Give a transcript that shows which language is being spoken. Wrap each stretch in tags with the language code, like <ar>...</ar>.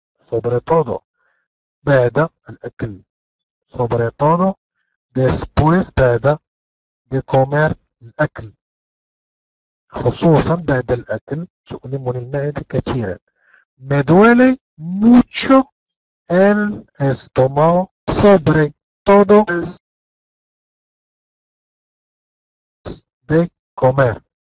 <es>Sobre todo</es> <ar>بعد الأكل.</ar> <es>Sobre todo después</es> <ar>بعد</ar> <es>de comer</es> <ar>الأكل. خصوصا بعد الأكل تؤلمني المعدة كثيرا.</ar> <es>Me duele mucho el estómago sobre todo de comer.</es>